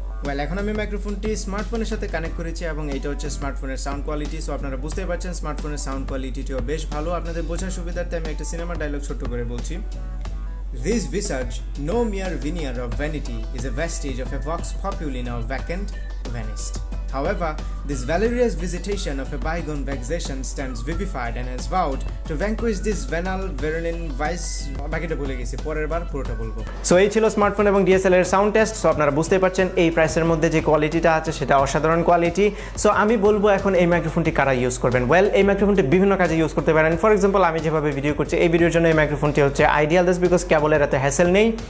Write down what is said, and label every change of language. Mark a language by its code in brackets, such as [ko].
[bn] Well এখন আমি মাইক্রোফোনটি স্মার্টফোনের সাথে কানেক্ট করেছি এবং এইটা হচ্ছে স্মার্টফোনের সাউন্ড কোয়ালিটি সো আপনারা বুঝতে পারছেন স্মার্টফোনের সাউন্ড কোয়ালিটিটিও বেশ ভালো আপনাদের বোঝার সুবিধার্থে আমি একটা সিনেমার ডায়লগ ছোট্ট করে বলছি [en] This visage, no mere veneer of vanity, is a vestige of a vox populi now vacant, vanished. However, this valerious visitation of a bygone vexation stands vivified and has vowed to vanquish this venal virulent vice. [bn] বাকিটা বলে গেছি পরের বার পুরোটা বলবো so এই ছিল smartphone এবং DSLR sound test so আপনারা বুঝতে পারছেন এই প্রাইসের মধ্যে যে কোয়ালিটিটা আছে সেটা অসাধারণ কোয়ালিটি সো আমি বলবো এখন এই মাইক্রোফোনটি কারা ইউজ করবেন ওয়েল এই মাইক্রোফোনটি বিভিন্ন কাজে ইউজ করতে পারেন ফর এক্সাম্পল আমি যেভাবে ভিডিও করছি এই ভিডিওর জন্য এই মাইক্রোফোনটি হচ্ছে আইডিয়াল [en] this because [bn] কেবলের এত হ্যাসেল নেই